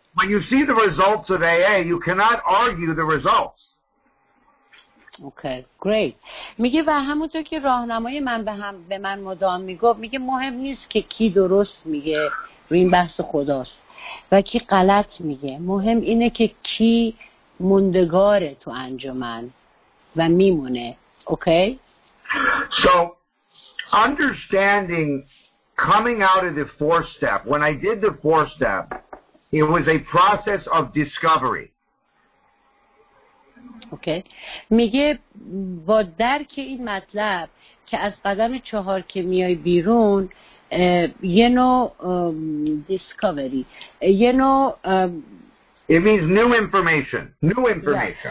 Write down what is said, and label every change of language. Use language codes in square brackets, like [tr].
[en] When you see the results of AA, you cannot argue the results. Okay, great. [fa] میگه و همونطور که راهنمای من به من مدام میگفت، میگه مهم نیست که کی درست میگه روی این بحث خداست و کی غلط میگه، مهم اینه که کی موندگاره تو انجمن و میمونه. [en] Okay? So, understanding coming out of the four step, when I did the four step, it was a process of discovery. Okay. [fa] میگه با درک این مطلب که از قدم چهار که میای بیرون، یه نوع discovery. یه نوع [en] It means new information. New information.